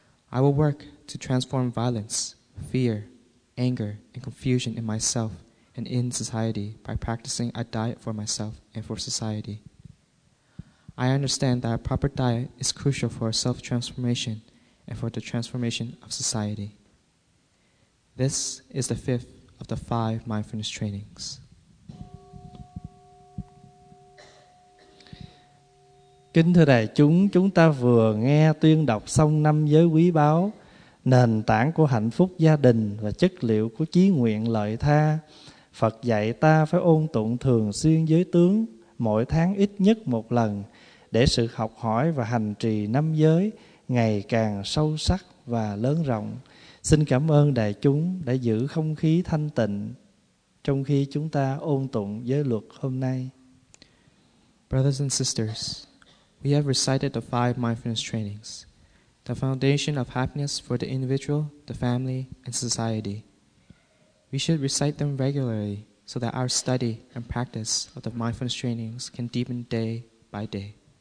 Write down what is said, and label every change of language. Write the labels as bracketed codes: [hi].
[en] I will work to transform violence, fear, anger, and confusion in myself and in society by practicing a diet for myself and for society. I understand that a proper diet is crucial for self-transformation and for the transformation of society. This is the fifth of the five mindfulness trainings. [vi] Kính thưa đại chúng, chúng ta vừa nghe tuyên đọc xong năm giới quý báu, nền tảng của hạnh phúc gia đình và chất liệu của chí nguyện lợi tha. Phật dạy ta phải ôn tụng thường xuyên giới tướng, mỗi tháng ít nhất một lần, để sự học hỏi và hành trì năm giới ngày càng sâu sắc và lớn rộng. Xin cảm ơn đại chúng đã giữ không khí thanh tịnh trong khi chúng ta ôn tụng giới luật hôm nay. [en] Brothers and sisters, we have recited the five mindfulness trainings, the foundation of happiness for the individual, the family, and society. We should recite them regularly so that our study and practice of the mindfulness trainings can deepen day by day.